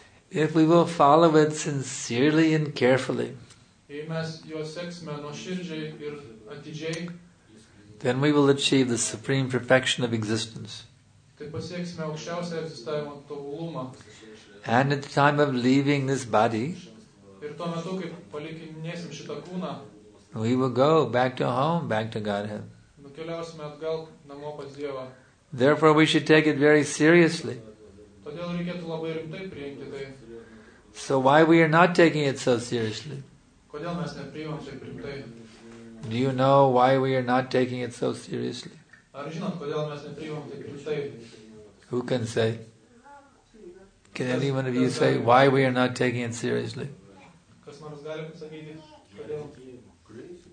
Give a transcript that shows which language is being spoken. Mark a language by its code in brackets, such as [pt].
[en] If we will follow it sincerely and carefully, [lt] Jei mes jo seksime nuoširdžiai ir atidžiai, [en] then we will achieve the supreme perfection of existence. [lt] Tai pasieksime aukščiausią egzistavimo tobulumą. [en] And at the time of leaving this body, [lt] ir tuo metu, kai palikinėsim šitą kūną, [en] we will go back to home, back to Godhead. [lt] Nukeliausime atgal namo pas Dievą. [en] Therefore we should take it very seriously. [lt] Todėl reikėtų labai rimtai priimti tai. [en] So why we are not taking it so seriously? [lt] Kodėl mes nepriimam tai rimtai? [en] Do you know why we are not taking it so seriously? [lt] Ar žinot, kodėl mes nepriimam tai rimtai? [en] Who can say? Can anyone of you say why we are not taking it seriously? [lt] Kas nors gali pasakyti, kodėl?